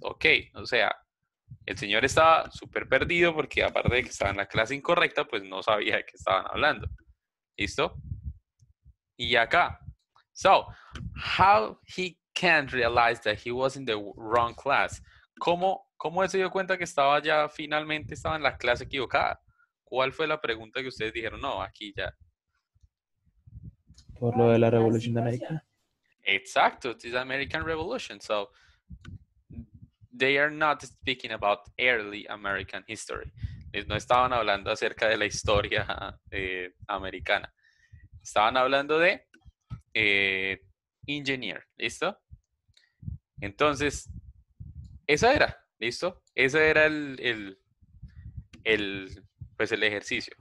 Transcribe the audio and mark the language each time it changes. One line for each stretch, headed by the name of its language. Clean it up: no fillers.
Spanish: Ok, o sea, el señor estaba súper perdido porque aparte de que estaba en la clase incorrecta, pues no sabía de qué estaban hablando. ¿Listo? Y acá.
English: So, how he can't realize that he was in the wrong class.
Spanish: ¿Cómo él se dio cuenta que estaba ya finalmente estaba en la clase equivocada? ¿Cuál fue la pregunta que ustedes dijeron? No, aquí ya. Por lo de la Revolución de América. Exacto,
English: it's the American Revolution. So, they are not speaking about early American history.
Spanish: No estaban hablando acerca de la historia americana. Estaban hablando de engineer, ¿listo? Entonces, esa era, ¿listo? Ese era el ejercicio.